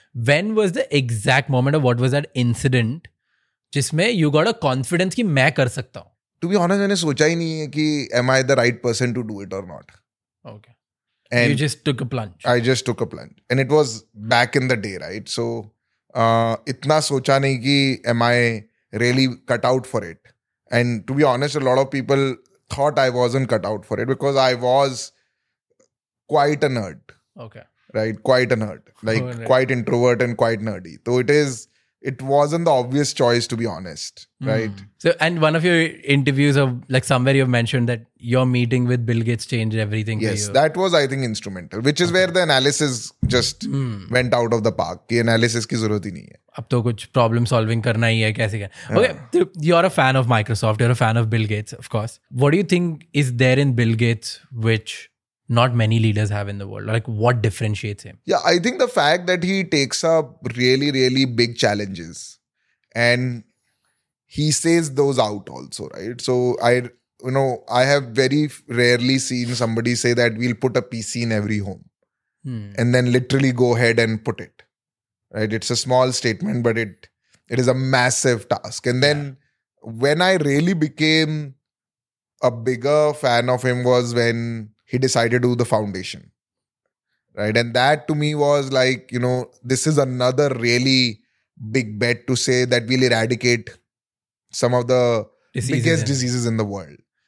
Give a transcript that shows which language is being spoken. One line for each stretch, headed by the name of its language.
English: when was the exact moment of what was that incident जिसमें you got a confidence
Hindi: कि मैं कर सकता हूँ.
English: to be honest
Hindi: मैंने सोचा ही नहीं है कि
English: Am I the right person to do it और not. Okay and you just took a plunge. I just took a plunge and it was back in the day right.
Hindi: सो इतना सोचा नहीं कि
English: Am I really cut out for it. And to be honest, a lot of people thought I wasn't cut out for it because I was quite a nerd. Okay. Right? Quite a nerd. Like, oh, right. Quite introvert and quite nerdy. So it wasn't the obvious choice, to be honest. Right? So, and one of your interviews of, like, somewhere you've mentioned that your meeting with Bill Gates changed everything. Yes, for you. That was, I think, instrumental, which is okay. Where the analysis just went out of the park.
Hindi: Ki analysis ki zarurat hi nahi hai. अब तो कुछ problem solving करना ही है कैसे क्या.
English: Okay you are a fan of Microsoft, you are a fan of Bill Gates of course. What do you think is there in Bill Gates which not many leaders have in the world, like what differentiates him? Yeah I think the fact that he takes up really really big challenges and he says those out also right. So I you know I have very rarely seen somebody say that we will put a PC in every home and then literally go ahead and put it. Right, it's a small statement, but it is a massive task. And then when I really became a bigger fan of him was when he decided to do the foundation. Right, and that to me was like, you know, this is another really big bet to say that we'll eradicate some of the biggest diseases in the world.